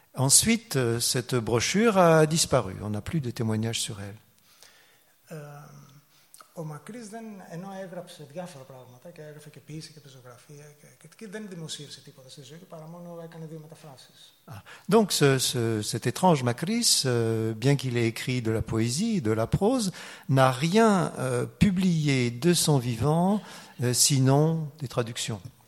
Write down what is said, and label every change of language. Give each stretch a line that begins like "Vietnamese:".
French: Ensuite, cette brochure a disparu. On n'a plus de témoignages sur elle.
Greek: Ο Μακρύς, ενώ έγραψε διάφορα πράγματα και έγραφε και ποιήση και πεζογραφία και δεν δημοσίευσε τίποτα στη ζωή, παρά μόνο έκανε δύο μεταφράσεις.
French: Donc, cet étrange Μακρύς, bien qu'il ait écrit de la poésie, de la prose, n'a rien publié de son vivant, sinon des traductions.